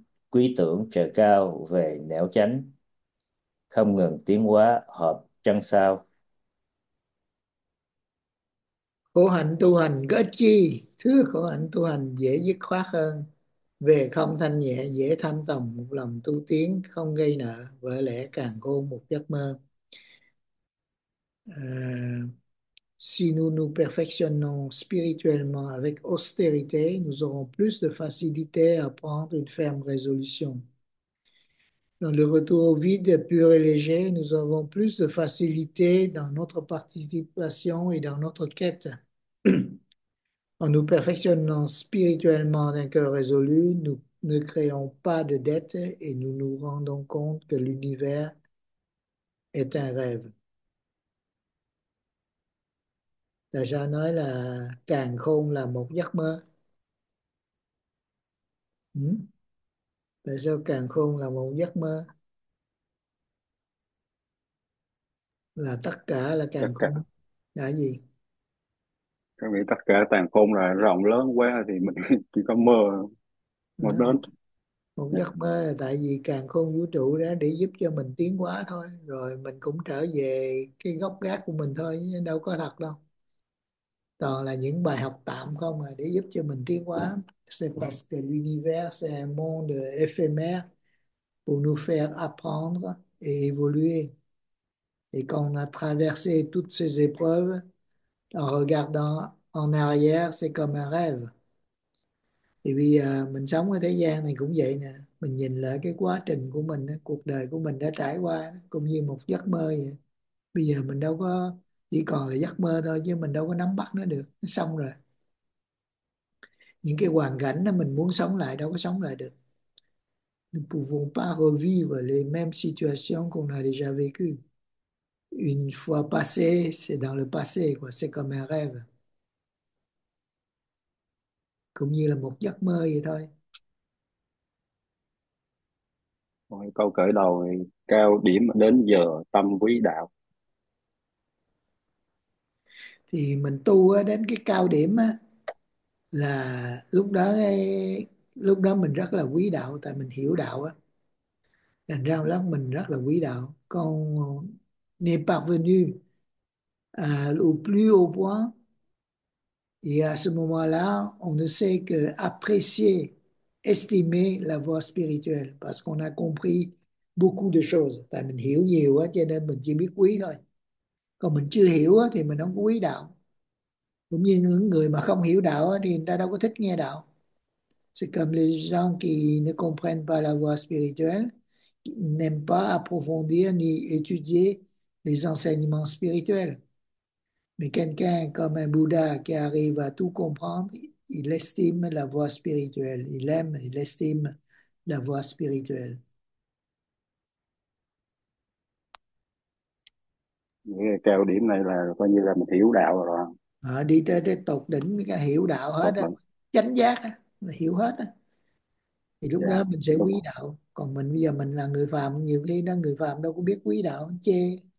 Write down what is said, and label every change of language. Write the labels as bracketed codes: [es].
[vi] Quy tưởng trời cao về nẻo chánh, không ngừng tiến hóa hợp chân sao. Khổ hạnh tu hành có ích chi? Thứ khổ hạnh tu hành dễ dứt khoát hơn, về không thanh nhẹ, dễ tham tòng. Một lòng tu tiến không gây nợ, vỡ lẽ càn khôn một giấc mơ. [fr] Si nous nous perfectionnons spirituellement avec austérité, nous aurons plus de facilité à prendre une ferme résolution. Dans le retour au vide pur et léger, nous avons plus de facilité dans notre participation et dans notre quête. En nous perfectionnant spirituellement d'un cœur résolu, nous ne créons pas de dette et nous nous rendons compte que l'univers est un rêve. [vi] Tại sao nói là càn khôn là một giấc mơ? Tại sao càn khôn là một giấc mơ? Là tất cả là Tất càn cả khôn là gì? các vị, tất cả càn khôn là rộng lớn quá thì mình chỉ có mơ một Đó, đến. một giấc mơ là tại vì càn khôn vũ trụ đó để giúp cho mình tiến hóa thôi, rồi mình cũng trở về cái gốc gác của mình thôi, nhưng đâu có thật đâu, toàn là những bài học tạm không à, để giúp cho mình tiến hóa. [fr] C'est parce que l'univers c'est un monde éphémère pour nous faire apprendre et évoluer. Et quand on a traversé toutes ces épreuves, en regardant en arrière, c'est comme un rêve. Et puis [vi] mình sống ở thế gian này cũng vậy nè, mình nhìn lại cái quá trình của mình, cuộc đời của mình đã trải qua cũng như một giấc mơ vậy. Bây giờ mình đâu có, chỉ còn là giấc mơ thôi chứ mình đâu có nắm bắt nó được, nó xong rồi. Những cái hoàn cảnh đó mình muốn sống lại đâu có sống lại được. [fr] Nous pouvons pas revivre les mêmes situations qu'on a déjà vécues. Une fois passé, c'est dans le passé, quoi. C'est comme un rêve. [vi] Cũng như là một giấc mơ vậy thôi. Câu khởi đầu thì cao điểm đến giờ tâm quý đạo. Thì mình tu đến cái cao điểm á, là lúc đó mình rất là quý đạo, tại mình hiểu đạo á, thành ra lúc mình rất là quý đạo. [fr] Còn n'est parvenu au plus haut point, et à ce moment-là on ne sait que apprécier, estimer la voie spirituelle, parce qu'on a compris beaucoup de choses, [vi] tại mình hiểu nhiều á cho nên mình chỉ biết quý thôi. Còn mình chưa hiểu thì mình không có quý đạo. Cũng như những người mà không hiểu đạo thì người ta đâu có thích nghe đạo. [fr] C'est comme les gens qui ne comprennent pas la voie spirituelle, qui n'aiment pas approfondir ni étudier les enseignements spirituels. Mais quelqu'un comme un Bouddha qui arrive à tout comprendre, il estime la voie spirituelle. Il aime, il estime la voie spirituelle. [vi] Cao điểm này là coi như là mình hiểu đạo rồi, À, đi tới, tới tột đỉnh hiểu đạo hết tốt á, mình chánh giác á, hiểu hết á, thì lúc đó dạ mình sẽ đúng quý đạo. Còn mình bây giờ mình là người phàm, nhiều khi đó người phàm đâu có biết quý đạo, chê.